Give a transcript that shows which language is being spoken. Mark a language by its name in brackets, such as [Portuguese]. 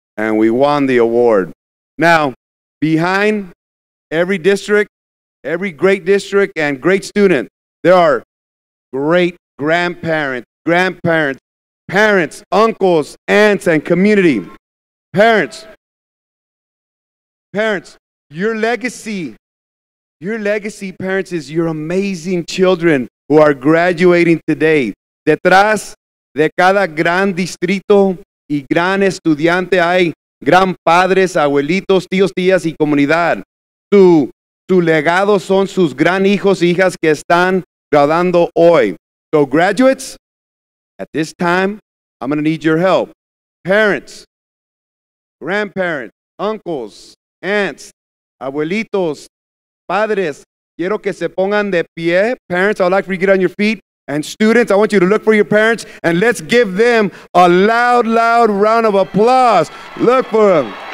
[English] And we won the award. Now, behind every district, every great district, and great student, there are great grandparents, parents, uncles, aunts, and community. Parents, your legacy, parents, is your amazing children who are graduating today. [Spanish] Detrás de cada gran distrito y gran estudiante hay gran padres, abuelitos, tíos, tías, y comunidad. Tu legado son sus gran hijos y hijas que están graduando hoy. [English] So graduates, at this time, I'm going to need your help. Parents, grandparents, uncles, aunts, [Spanish] abuelitos, padres, quiero que se pongan de pie. [English] Parents, I'd like for you to get on your feet. And students, I want you to look for your parents, and let's give them a loud, loud round of applause. Look for them.